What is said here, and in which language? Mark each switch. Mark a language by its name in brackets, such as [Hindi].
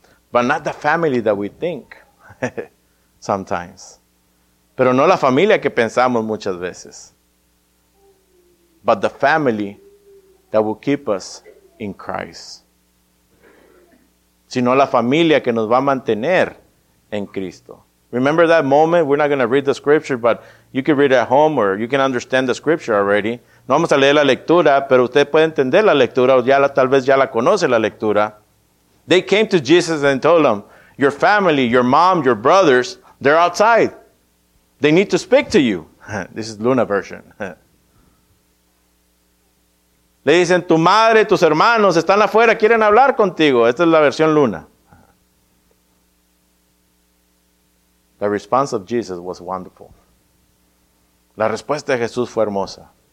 [English] But not the family that we think sometimes. [Spanish] Pero no la familia que pensamos muchas veces. [English] But the family that will keep us in Christ. [Spanish] Sino la familia que nos va a mantener en Cristo. [English] Remember that moment? We're not going to read the scripture, but you can read it at home or you can understand the scripture already. [Spanish] No vamos a leer la lectura, pero usted puede entender la lectura o tal vez ya la conoce la lectura. [English] They came to Jesus and told him, your family, your mom, your brothers, they're outside. They need to speak to you. This is Luna version. [Spanish] Le dicen, tu madre, tus hermanos están afuera, quieren hablar contigo. Esta es la versión Luna. [English] The response of Jesus was wonderful. [Spanish] La respuesta de Jesús fue hermosa.